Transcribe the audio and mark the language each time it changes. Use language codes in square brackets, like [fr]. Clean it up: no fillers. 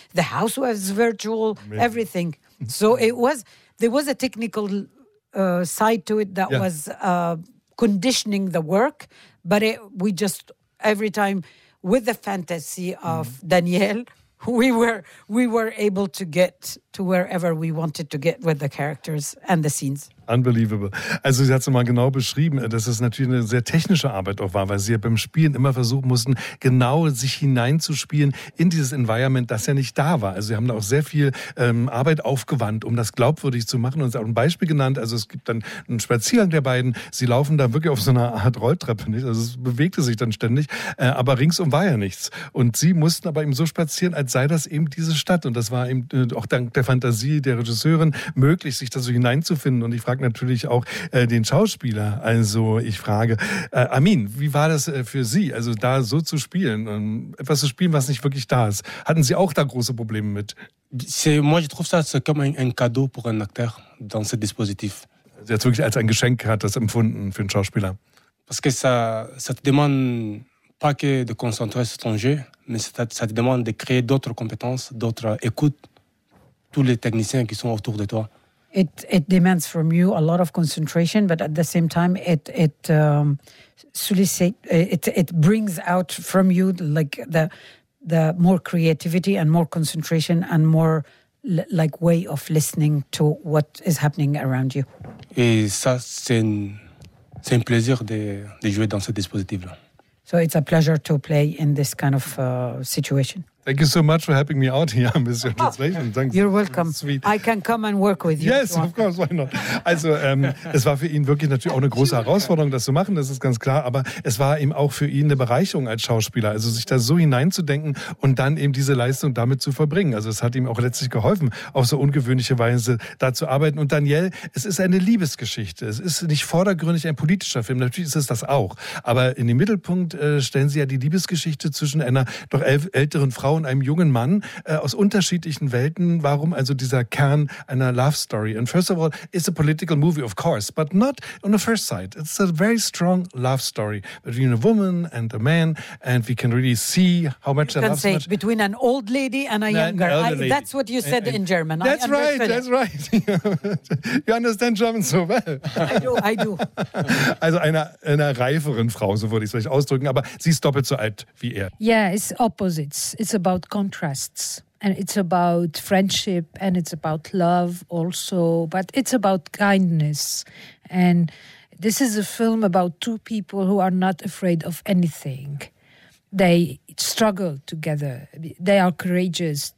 [en] The house was virtual, really? Everything. So it was, there was a technical side to it that was conditioning the work. But we just, every time, with the fantasy of Danielle, we were able to get to wherever we wanted to get with the characters and the scenes. Unbelievable. [de] Also sie hat es mal genau beschrieben, dass es natürlich eine sehr technische Arbeit auch war, weil sie ja beim Spielen immer versuchen mussten, genau sich hineinzuspielen in dieses Environment, das ja nicht da war. Also sie haben da auch sehr viel Arbeit aufgewandt, um das glaubwürdig zu machen. Und sie hat auch ein Beispiel genannt. Also es gibt dann einen Spaziergang der beiden. Sie laufen da wirklich auf so einer Art Rolltreppe, nicht? Also es bewegte sich dann ständig, aber ringsum war ja nichts. Und sie mussten aber eben so spazieren, als sei das eben diese Stadt. Und das war eben auch dank der Fantasie der Regisseurin möglich, sich da so hineinzufinden. Und ich frage natürlich auch den Schauspieler. Also ich frage, Armin, wie war das für Sie, also da so zu spielen, etwas zu spielen, was nicht wirklich da ist? Hatten Sie auch da große Probleme mit? [fr] Moi, je trouve ça, c'est comme un cadeau pour un acteur dans ce dispositif. [de] Sie hat es wirklich als ein Geschenk, hat das empfunden für einen Schauspieler. [fr] Parce que ça te demande pas que de concentrer sur ton jeu, mais ça te demande de créer d'autres compétences, d'autres écoutes, tous les techniciens qui sont autour de toi. [en] It demands from you a lot of concentration, but at the same time, it brings out from you like the more creativity and more concentration and more like way of listening to what is happening around you. [fr] Et ça, c'est un plaisir de jouer dans ce dispositif là. [en] So it's a pleasure to play in this kind of situation. Thank you so much for helping me out here, Mr. Oh, Translation. Thanks. You're welcome. Sweet. I can come and work with you. Yes, of course, why not? [de] Also, es war für ihn wirklich natürlich auch eine große Herausforderung, das zu machen, das ist ganz klar. Aber es war eben auch für ihn eine Bereicherung als Schauspieler, also sich da so hineinzudenken und dann eben diese Leistung damit zu verbringen. Also es hat ihm auch letztlich geholfen, auf so ungewöhnliche Weise da zu arbeiten. Und Danielle, es ist eine Liebesgeschichte. Es ist nicht vordergründig ein politischer Film. Natürlich ist es das auch. Aber in den Mittelpunkt stellen Sie ja die Liebesgeschichte zwischen einer doch älteren Frau und einem jungen Mann aus unterschiedlichen Welten. Warum also dieser Kern einer Love Story? [en] And first of all, it's a political movie, of course, but not on the first sight. It's a very strong love story between a woman and a man, and we can really see how much you can love say it between an old lady and a younger. That's what you said in German. That's right. That's right. You understand German so well. I do. [de] Also einer reiferen Frau, so würde ich es vielleicht ausdrücken, aber sie ist doppelt so alt wie er. [en] Yeah, it's opposites. It's about contrasts, and it's about friendship, and it's about love also, but it's about kindness. And this is a film about two people who are not afraid of anything. They struggle together. They are courageous.